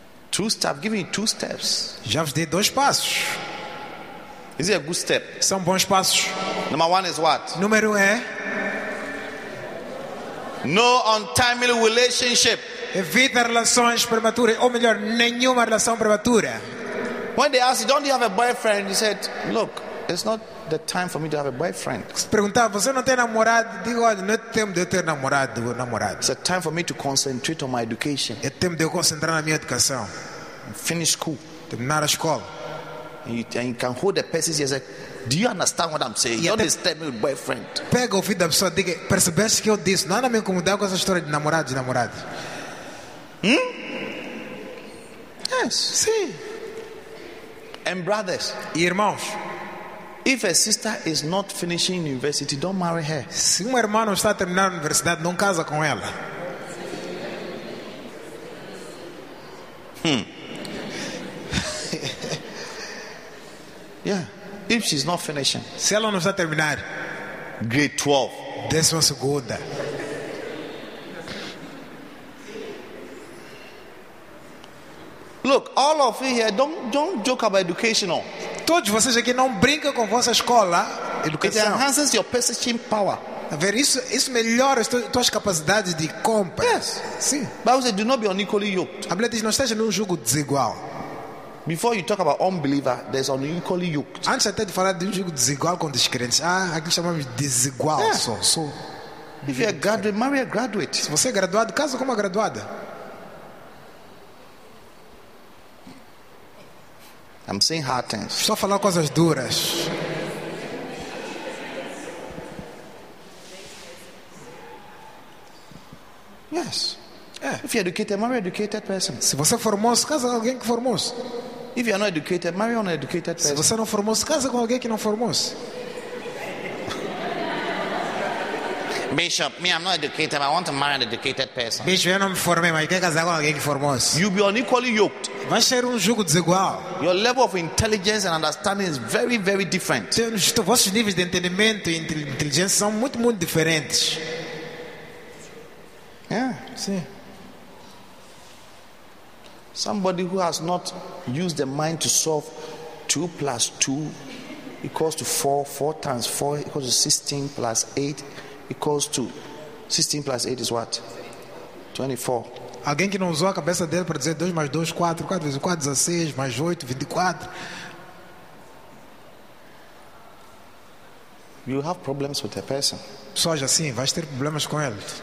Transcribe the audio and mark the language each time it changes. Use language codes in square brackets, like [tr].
[en] Two steps, giving two steps. [pt] Já vos dei dois passos. [en] Is it a good step? [pt] São bons passos. [en] Number one is what? [pt] Número um é [en] no untimely relationship. [pt] Evita relações prematuras, ou melhor, nenhuma relação prematura. [en] When they ask you, don't you have a boyfriend? You said, look, it's not the time for me to have a boyfriend. [pt] Se perguntar, você não tem namorado? Digo, olha, não é tempo de eu ter namorado ou namorada. [en] It's a time for me to concentrate on my education. [pt] É tempo de eu concentrar na minha educação. [en] Finish school. [pt] Terminar a escola. [en] And you can hold the person and say, do you understand what I'm saying? Don't disturb me with boyfriend. [pt] Pega o ouvido da pessoa e diga, percebeste que eu disse? Nada me incomodar com essa história de namorado e namorada. Hmm? [en] Yes. [pt] Sim. [en] And brothers. [pt] E irmãos. [en] If a sister is not finishing university, don't marry her. [pt] Se uma irmã não está terminando a universidade, não casa com ela. Hmm. [en] Yeah. If she's not finishing. [pt] Se ela não está terminar. [en] Grade 12. This was good. Look, all of you here, don't joke about educational. [pt] Todos vocês aqui não brinca com vossa escola, educação. [en] It enhances your purchasing power. [pt] A ver, isso melhora as tuas capacidades de compra. [en] Yes. [pt] Sim. [en] But also, do not be unequally yoked. [pt] A Bíblia diz, não esteja num jugo desigual. [en] Before you talk about unbeliever, there's unequally yoked. [pt] Antes até de falar de um jugo desigual com descrentes, aqui chamamos desigual. [en] Yeah. So, if you're a graduate, marry a graduate. [pt] Se você é graduado, casa com uma graduada. [en] I'm saying hard things. [pt] Só falar coisas duras. [en] Yes. Yeah. If you're educated, marry an educated person. [pt] Se você formou, se casa com alguém que formou. [en] If you're not educated, marry an educated person. [pt] Se você não formou, se casa com alguém que não formou. [en] Bishop, me, I'm not educated, but I want to marry an educated person. [pt] Bishop, eu não me formei, mas quero casar com alguém que formou. [en] You'll be unequally yoked. [pt] Vai ser um jugo desigual. [en] Your level of intelligence and understanding is very, very different. [pt] Vossos níveis de entendimento e inteligência são muito, muito diferentes. [en] Yeah. [pt] Sim. [en] Somebody who has not used the mind to solve 2 plus 2 equals to 4, 4 times 4 equals to 16 plus 8 equals to 16 plus 8 is what? 24. [pt] Alguém que não usou a cabeça dele para dizer 2 mais 2, 4, 4 vezes 4, 16, mais 8, 24. [en] You have problems with a person. [pt] Só já sim, vais ter problemas com ele.